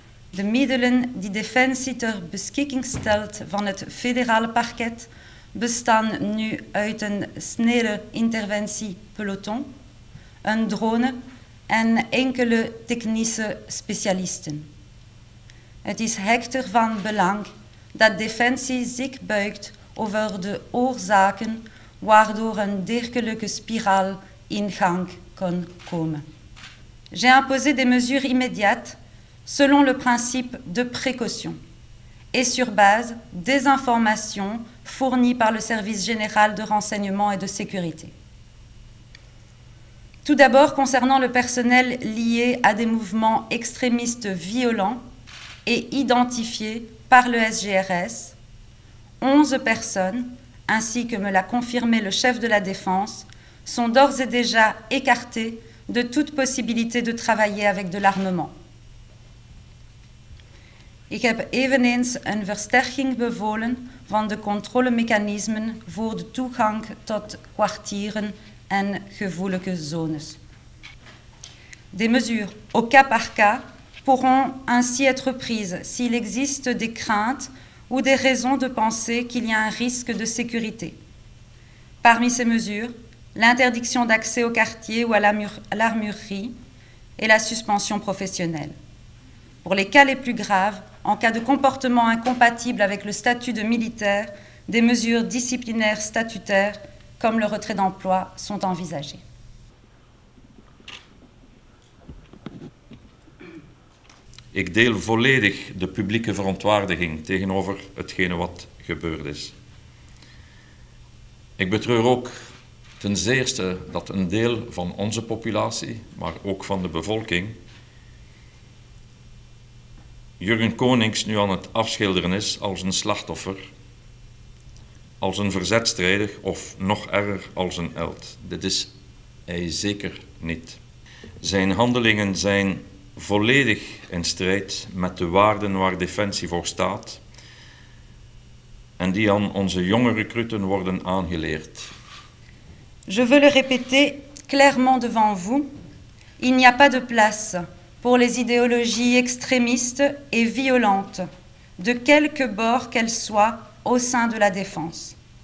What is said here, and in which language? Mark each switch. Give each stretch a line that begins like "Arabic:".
Dutch: De middelen die Defensie ter beschikking stelt van het federale parket bestaan nu uit een snelle interventiepeloton, een drone en enkele technische specialisten. Het is echter van belang dat Defensie zich buigt over de oorzaken waardoor een dergelijke spiraal in gang kon komen.
French: J'ai imposé des mesures immédiates selon le principe de précaution et sur base des informations fournies par le Service général de renseignement et de sécurité. Tout d'abord, concernant le personnel lié à des mouvements extrémistes violents et identifiés par le SGRS, 11 personnes, ainsi que me l'a confirmé le chef de la défense, sont d'ores et déjà écartées de toute possibilité de travailler avec de l'armement.
Dutch: Ik heb eveneens een versterking bevolen van de controlemechanismen voor de toegang tot kwartieren en gevoelige zones.
French: Des mesures au cas par cas pourront ainsi être prises s'il existe des craintes ou des raisons de penser qu'il y a un risque de sécurité. Parmi ces mesures, l'interdiction d'accès au quartier ou à l'armurerie et la suspension professionnelle. Pour les cas les plus graves, en cas de comportement incompatible avec le statut de militaire, des mesures disciplinaires statutaires, comme le retrait d'emploi, sont envisagées.
Dutch: Ik deel volledig de publieke verontwaardiging tegenover hetgene wat gebeurd is. Ik betreur ook ten zeerste dat een deel van onze populatie, maar ook van de bevolking, Jurgen Konings nu aan het afschilderen is als een slachtoffer, als een verzetstrijder of nog erger als een held. Dit is hij zeker niet. Zijn handelingen zijn volledig in strijd met de waarden waar Defensie voor staat en die aan onze jonge recruten worden aangeleerd.
French: Je veux le répéter clairement devant vous, il n'y a pas de place pour les idéologies extrémistes et violentes, de quelque bord qu'elles soient au sein de la défense.